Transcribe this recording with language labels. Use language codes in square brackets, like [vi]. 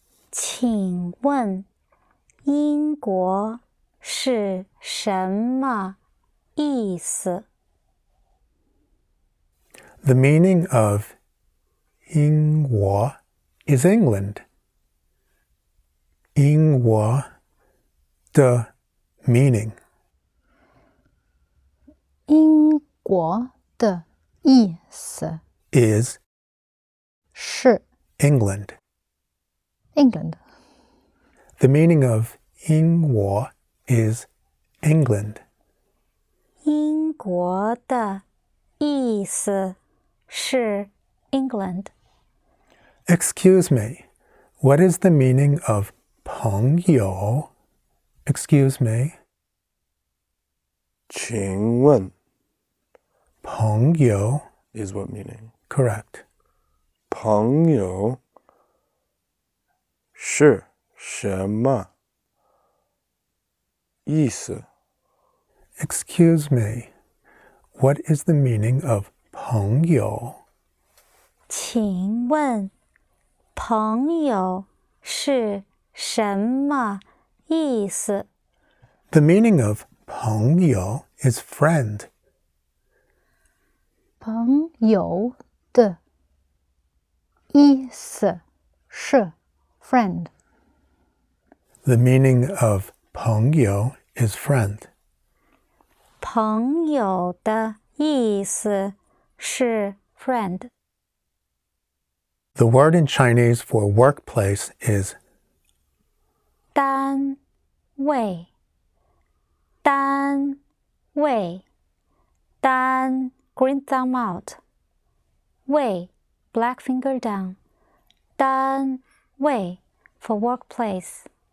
[zh] 请问,英国是什么意思? [en] The meaning of 英国 is England. [zh] 英国的 [en] meaning. [zh] 英国的意思 [en] is [zh] 是 [en] England. England. The meaning of 英国 is England. [zh] 英国的意思是 England. [en] Excuse me, what is the meaning of 朋友? Excuse me. [zh] 请问朋友 [en] is what meaning? Correct. [zh] 朋友是什么意思? [en] Excuse me, what is the meaning of 朋友? [zh] 请问朋友是什么意思? [en] The meaning of 朋友 is friend. [zh] 朋友的意思是 friend. [en] The meaning of 朋友 is friend. [zh] 朋友的意思是 friend. [en] The word in Chinese for workplace is 单位单位单Green thumb out. Wei, black finger down. Dan Wei, for workplace.